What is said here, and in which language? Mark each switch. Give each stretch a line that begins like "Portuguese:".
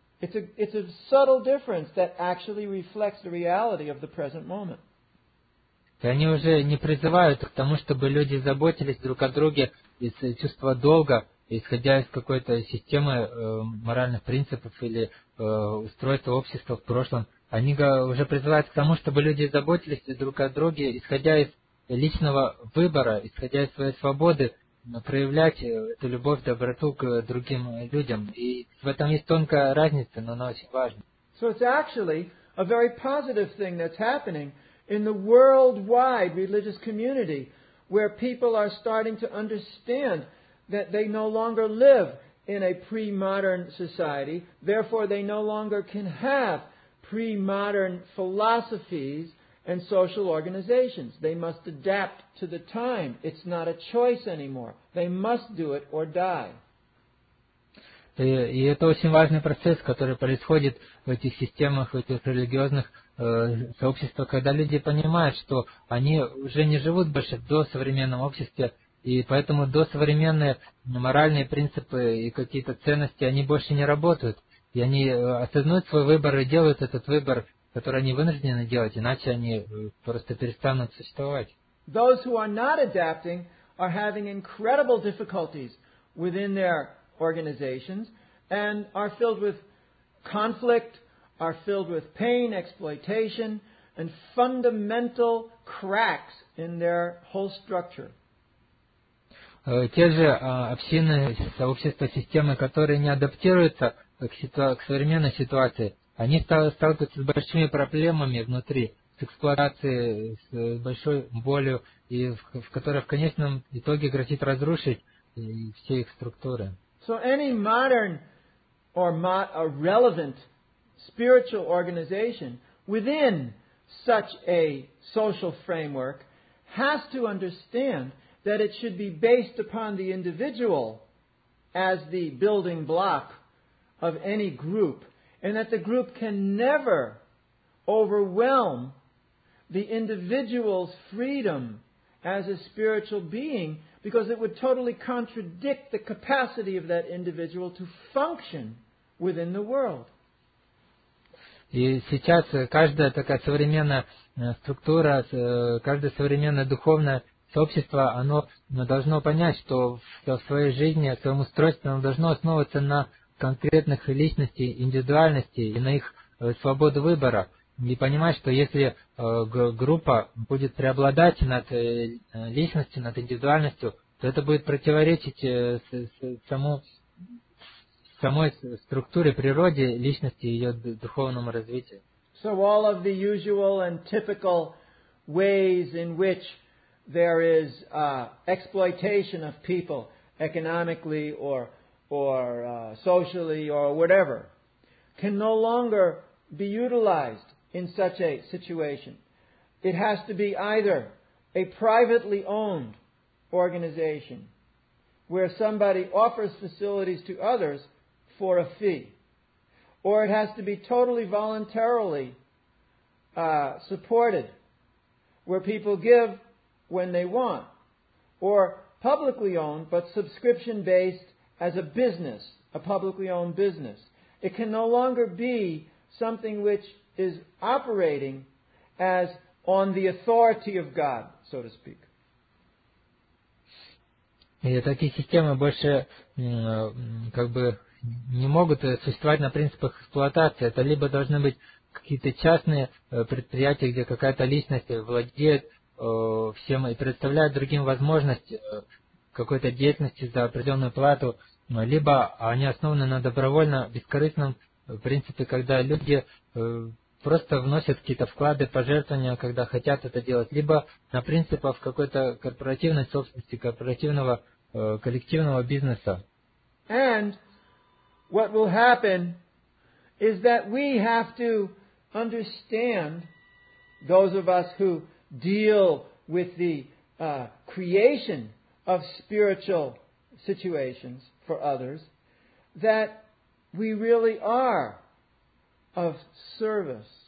English: It's a subtle difference that actually reflects the reality of the present moment.
Russian: И они уже не призывают к тому, чтобы люди заботились друг о друге из чувства долга, исходя из какой-то системы моральных принципов или устройства общества в прошлом. Они уже призывают к тому, чтобы люди заботились друг о друге, исходя из личного выбора, исходя из своей свободы, проявлять эту любовь, доброту к другим людям. И в этом есть тонкая разница, но она очень важна.
English: So it's actually a very positive thing that's happening in the worldwide religious community, where people are starting to understand that they no longer live in a pre-modern society, therefore they no longer can have pre-modern philosophies and social organizations. They must adapt to the time. It's not a choice anymore. They must do it or die.
Russian: И это очень важный процесс, который происходит в этих системах, в этих религиозных сообществах, когда люди понимают, что они уже не живут больше в досовременном обществе, И поэтому досовременные моральные принципы и какие-то ценности, они больше не работают. И они осознают свой выбор и делают этот выбор, который они вынуждены делать, иначе они просто перестанут существовать.
English: Those who are not adapting are having incredible difficulties within their organizations and are filled with conflict, are filled with pain, exploitation, and fundamental cracks in their whole structure.
Russian: Те же общины, сообщества, системы, которые не адаптируются к современной ситуации, они сталкиваются с большими проблемами внутри, с эксплуатацией, с большой болью, и в которой в конечном итоге грозит разрушить все их структуры.
English: So any modern or a relevant spiritual organization within such a social framework has to understand that it should be based upon the individual as the building block of any group, and that the group can never overwhelm the individual's freedom as a spiritual being, because it would totally contradict the capacity of that individual to function within the world.
Russian: И сейчас каждая такая современная структура, каждое современное духовное сообщество, оно должно понять, что в своей жизни, в своем устройстве оно должно основываться на конкретных личностей, индивидуальности и на их свободу выбора. И понимать, что если группа будет преобладать над личностью, над индивидуальностью, то это будет противоречить самой структуре, природе личности и ее духовному развитию.
English: So all of the usual and typical ways in which there is exploitation of people economically or socially or whatever can no longer be utilized in such a situation. It has to be either a privately owned organization where somebody offers facilities to others for a fee, or it has to be totally voluntarily supported, where people give when they want, or publicly owned but subscription based as a business, a publicly owned business. It can no longer be something which is operating as on the authority of God, so to speak.
Russian: И такие системы больше как бы не могут существовать на принципах эксплуатации. Это либо должны быть какие-то частные предприятия, где какая-то личность владеет всем и предоставляет другим возможность какой-то деятельности за определенную плату, либо они основаны на добровольно бескорыстном принципе, когда люди просто вносят какие-то вклады, пожертвования, когда хотят это делать, либо на принципах какой-то корпоративной собственности, корпоративного коллективного бизнеса.
English: And what will happen is that we have to understand, those of us who deal with the creation of spiritual situations for others, that we really are of service.